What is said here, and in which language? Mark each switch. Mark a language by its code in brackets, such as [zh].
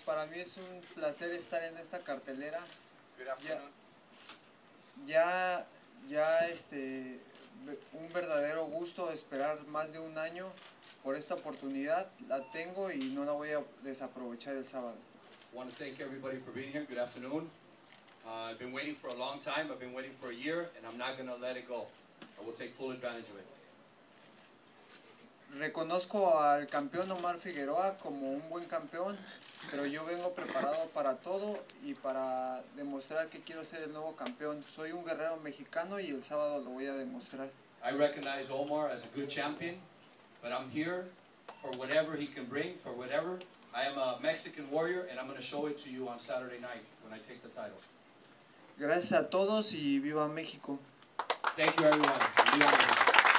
[es] Para mí es un placer estar en esta cartelera. Ya, un verdadero gusto esperar más de un año por esta oportunidad. La tengo y no la voy a desaprovechar el sábado. [en] I want to thank everybody for being here. Good afternoon. I've been waiting for a long time. I've been waiting for a year, and I'm not going to let it go. I will take full advantage of it. [es] Reconozco al campeón Omar Figueroa como un buen campeón, pero yo vengo preparado para todo y para demostrar que quiero ser el nuevo campeón. Soy un guerrero mexicano y el sábado lo voy a demostrar. [en] I recognize Omar as a good champion, but I'm here for whatever he can bring, for whatever. I am a Mexican warrior, and I'm going to show it to you on Saturday night when I take the title. [es] Gracias a todos y viva México. [en] Thank you, everyone. [es] Viva México.